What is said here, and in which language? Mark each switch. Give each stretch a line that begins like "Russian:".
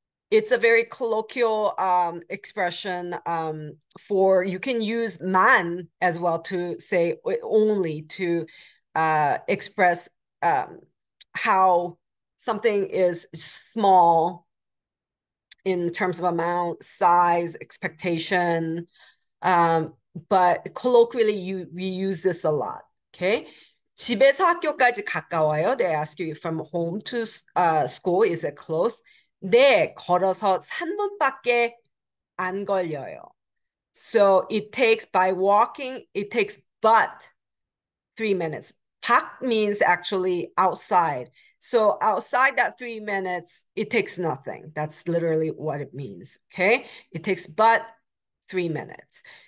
English: It's a very colloquial expression for you can use man as well to say only to express how something is small in terms of amount, size, expectation. But colloquially, we use this a lot. Okay.
Korean: 집에서 학교까지 가까워요?
English: They ask you from home to school, is it close?
Korean: 네, 걸어서 3분밖에 안 걸려요.
English: So it takes by walking, it takes but 3 minutes. 밖 means actually outside. So outside that 3 minutes, it takes nothing. That's literally what it means, okay? It takes but 3 minutes.